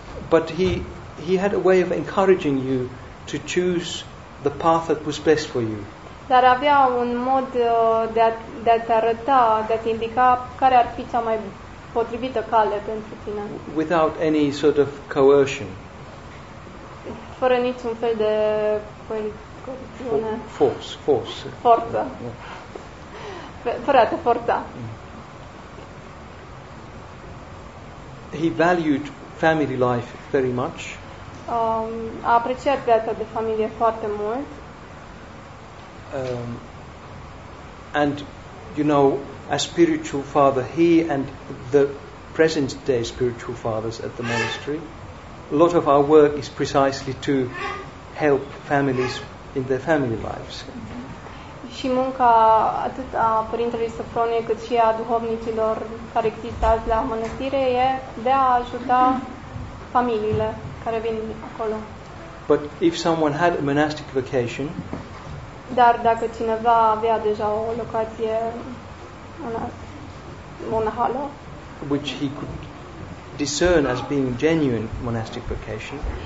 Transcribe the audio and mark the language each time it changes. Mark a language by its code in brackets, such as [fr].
[en] But he had a way of encouraging you to choose the path that was best for you. [ro] Dar avea un mod de a-ți arăta, de a-ți indica care ar fi cea mai potrivită cale pentru tine. [en] Without any sort of coercion. [ro] Fără niciun fel de coercțiune. Forță. Forță. Fără a te forța. [en] He valued family life very much. [ro] A apreciat viața de familie foarte mult. [en] And you know, as spiritual father, he and the present day spiritual fathers at the monastery, a lot of our work is precisely to help families in their family lives. [ro] Și munca atât a părintelui Sofronie cât și a duhovnicilor care există azi la mănăstire e de a ajuta familiile care vin acolo. [en] But if someone had a monastic vocation, [ro] dar dacă cineva avea deja o locație monahală, [en] which he could discern as being genuine monastic vocation,